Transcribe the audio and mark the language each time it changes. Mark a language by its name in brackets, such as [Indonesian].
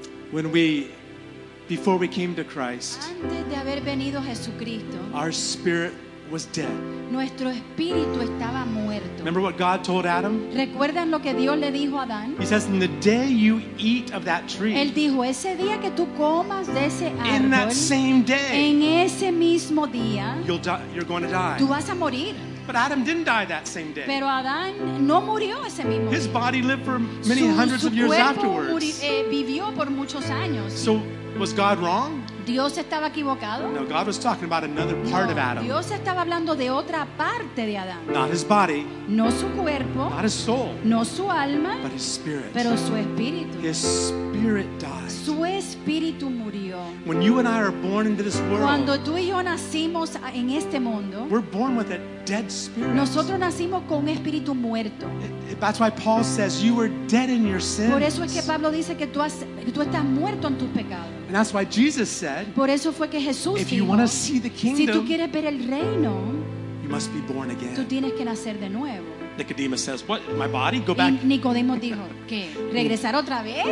[English] When we before we came to Christ, [Spanish] antes de haber venido a Jesucristo, [English] our spirit was dead. [Spanish] Nuestro espíritu estaba muerto. [English] Remember what God told Adam? [Spanish] ¿Recuerdan lo que Dios le dijo a Adán? [English] He says, in the day you eat of that tree, [Spanish] él dijo, ese día que tú comas de ese árbol, [English] in that same day, [Spanish] en ese mismo día, [English] you'll die, you're going to die. [Spanish] Tú vas a morir. [English] But Adam didn't die that same day. [Spanish] Pero Adán no murió ese mismo día. [English] His body lived for many hundreds of years afterwards. [Spanish] Vivió por muchos años. [English] So was God wrong? [Spanish] Dios estaba equivocado. [English] No, God was talking about another part [Spanish] no, [English] of Adam. [Spanish] Dios estaba hablando de otra parte de Adán. [English] Not his body. [Spanish] No su cuerpo. [English] Not his soul. [Spanish] No su alma. [English] But his spirit. [Spanish] Pero su espíritu. [English] His spirit died. [Spanish] Su espíritu murió. [English] When you and I are born into this world, [Spanish] cuando tú y yo nacimos en este mundo, [English] we're born with a dead spirit. [Spanish] Nosotros nacimos con un espíritu muerto. [English] That's why Paul says you were dead in your sins. [Spanish] Por eso es que Pablo dice que tú estás muerto en tus pecados. [English] And that's why Jesus said, [Spanish] por eso fue que Jesús [English] if [Spanish] dijo, [English] you want to see the kingdom, [Spanish] si tú quieres ver el reino, [English] you must be born again. [Spanish] Tú tienes que nacer de nuevo. [English] Nicodemus says, what? My body? Go back. [Spanish] Nicodemo dijo, ¿qué? ¿Regresar otra vez?